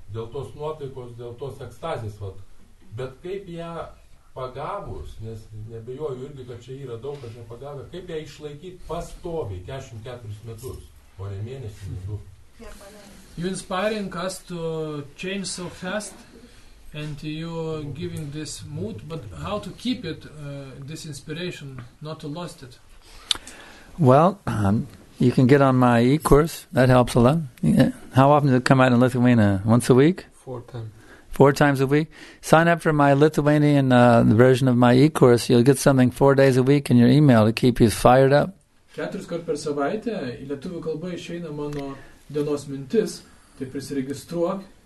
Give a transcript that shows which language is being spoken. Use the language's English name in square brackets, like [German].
[Lithuanian] Dėl tos nuotaikos, dėl tos ekstazės. Vat. Bet kaip ją pagavus, nes nebejoju irgi, kad čia yra daug, kad nepagavę, kaip ją išlaikyti pastoviai 44 metus, o ne mėnesį, ne du. [English] You inspiring us to change so fast? And you're giving this mood, but how to keep it, this inspiration, not to lost it? Well, you can get on my e-course. That helps a lot. Yeah. How often does it come out in Lithuania? Once a week? Four times a week. Sign up for my Lithuanian version of my e-course. You'll get something 4 days a week in your email to keep you fired up. [Lithuanian] Keturis kart per savaitę į lietuvių kalbą išeina mano dienos mintis, tai prisiregistruok.